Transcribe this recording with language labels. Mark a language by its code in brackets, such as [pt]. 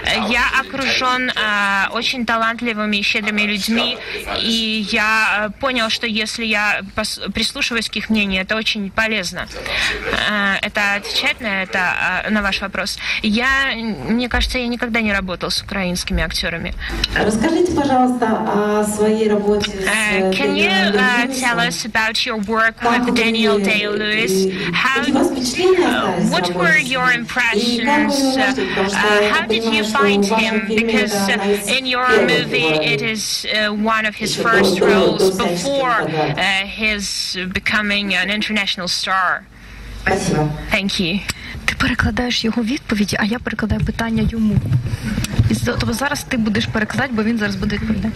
[ru] Я окружен очень талантливыми и щедрыми людьми, и я понял, что если я прислушиваюсь к их мнению, это очень полезно. Это отвечает на ваш вопрос. Мне кажется, я никогда не работал с украинскими актерами. Расскажите, пожалуйста, о своей работе с [en] Can you tell us about your work with Daniel Day-Lewis? What were your impressions? How did you find him? Because in your movie, it is one of his first roles before his becoming an international star. [ru] Спасибо. [en] Thank you. [uk] Ти перекладаєш його відповіді, а я перекладаю питання йому. Тобто зараз ти будеш перекладати, бо він зараз буде відповідати.